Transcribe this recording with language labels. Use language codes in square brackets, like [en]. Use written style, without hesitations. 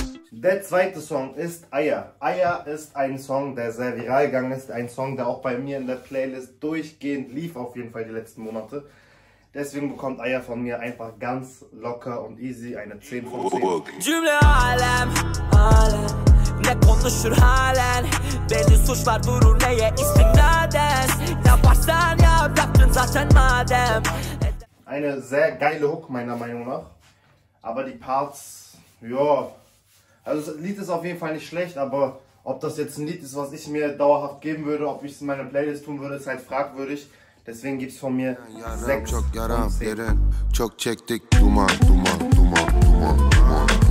[de] Der zweite Song ist Eier. Eier ist ein Song, der sehr viral gegangen ist. Ein Song, der auch bei mir in der Playlist durchgehend lief, auf jeden Fall die letzten Monate. Deswegen bekommt Eier von mir einfach ganz locker und easy eine 10 von 10. [tr] Cümle alem, alem. Ne konuşur halen, belli suç var vurur neye istinaden. Ne yaparsan yap, yaptın zaten madem. [de] Eine sehr geile Hook meiner Meinung nach, aber die Parts, ja, also das Lied ist auf jeden Fall nicht schlecht, aber ob das jetzt ein Lied ist, was ich mir dauerhaft geben würde, ob ich es in meine Playlist tun würde, ist halt fragwürdig. Deswegen gibt's von mir 6 von 10. [tr] Yaram, çok yaram, derin, çok çektik, duman, duman, duman, duman, duman.